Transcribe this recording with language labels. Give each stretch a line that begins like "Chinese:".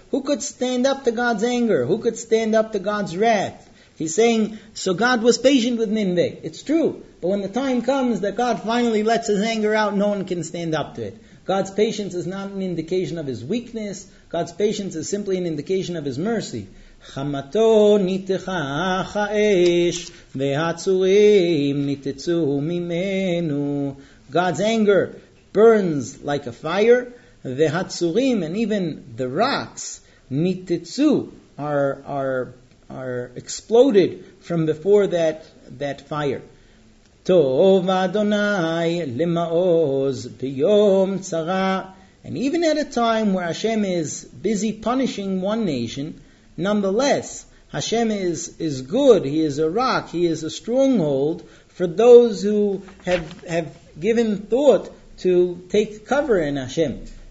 English: Who could stand up to God's anger? Who could stand up to God's wrath? He's saying, so God was patient with Nineveh. It's true. But when the time comes that God finally lets his anger out, no one can stand up to it. God's patience is not an indication of his weakness. God's patience is simply an indication of his mercy.
Hebrew: חמתו ניתחה האש, והצורים ניתצו ממנו.
English: God's anger burns like a fire, והצורים, and even the rats, ניתצו, are exploded from before that fire.
Hebrew: טוב אדוני למעוז ביום צרה.
English: And even at a time where Hashem is busy punishing one nation, nonetheless, Hashem is good, he is a rock, he is a stronghold for those who have given thought to take cover in Hashem.